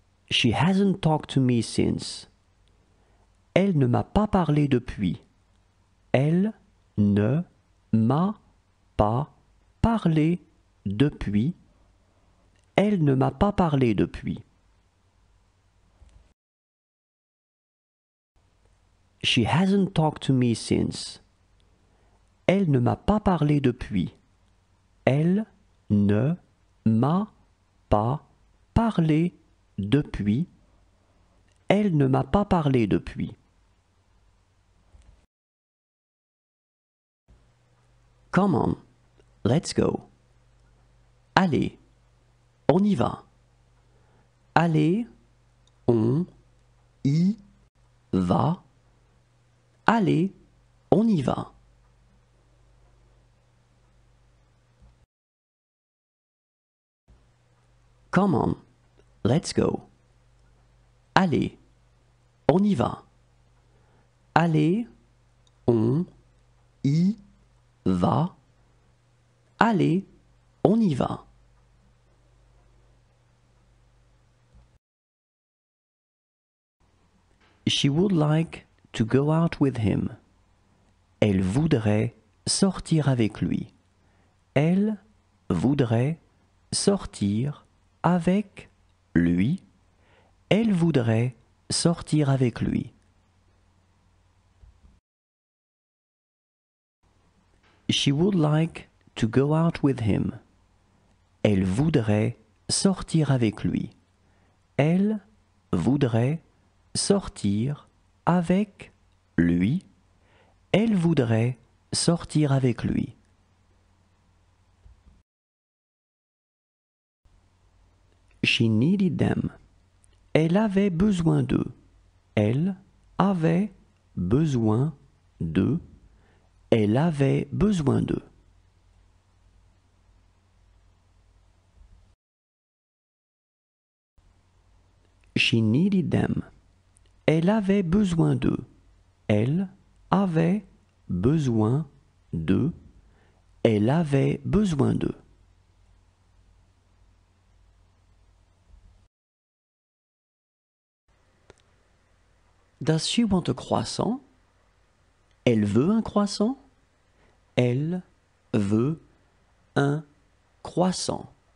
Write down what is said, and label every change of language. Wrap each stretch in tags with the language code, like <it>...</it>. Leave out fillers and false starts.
<en>She hasn't talked to me since.</en> <fr>Elle ne m'a pas parlé depuis. Elle ne m'a pas parlé depuis. Elle ne m'a pas parlé depuis.</fr> <en>She hasn't talked to me since.</en> <fr>Elle ne m'a pas parlé depuis. Elle ne m'a pas parlé depuis. Elle ne m'a pas parlé depuis.</fr> <en>Come on, let's go.</en> <fr>Allez, on y va. Allez, on y va. Allez, on y va.</fr> <en>Come on, let's go.</en> <fr>Allez, on y va. Allez, on y va. Allez, on y va.</fr> <en>She would like to go out with him.</en> <fr>Elle voudrait sortir avec lui. Elle voudrait sortir avec lui. Elle voudrait sortir avec lui.</fr> <en>She would like to go out with him.</en> <fr>Elle voudrait sortir avec lui. Elle voudrait sortir avec lui. Elle voudrait sortir avec lui.</fr> <en>She needed them.</en> <fr>Elle avait besoin d'eux. Elle avait besoin d'eux. Elle avait besoin d'eux.</fr> <en>She needed them.</en> <fr>Elle avait besoin d'eux. Elle avait besoin d'eux. Elle avait besoin d'eux.</fr> <en>Does she want a croissant?</en> <fr>Elle veut un croissant? Elle veut un croissant.</fr>